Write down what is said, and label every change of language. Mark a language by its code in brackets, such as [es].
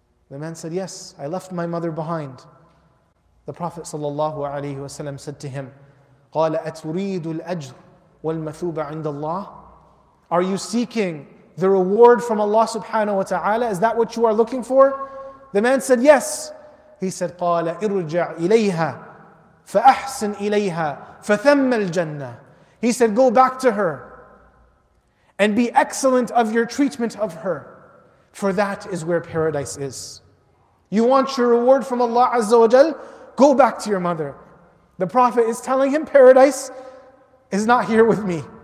[en] The man said, yes, I left my mother behind. The Prophet sallallahu alaihi wasallam said to him, [ar] قَالَ أَتُرِيدُ الْأَجْرُ وَالْمَثُوبَ عِنْدَ اللَّهِ. [en] Are you seeking the reward from Allah subhanahu wa ta'ala? Is that what you are looking for? The man said, yes. He said, [ar] قَالَ إِرْجَعْ إِلَيْهَا فَأَحْسِنْ إِلَيْهَا فَثَمَّ الْجَنَّةِ. [en] He said, go back to her and be excellent of your treatment of her, for that is where paradise is. You want your reward from Allah Azza wa Jal? Go back to your mother. The Prophet is telling him, paradise is not here with me.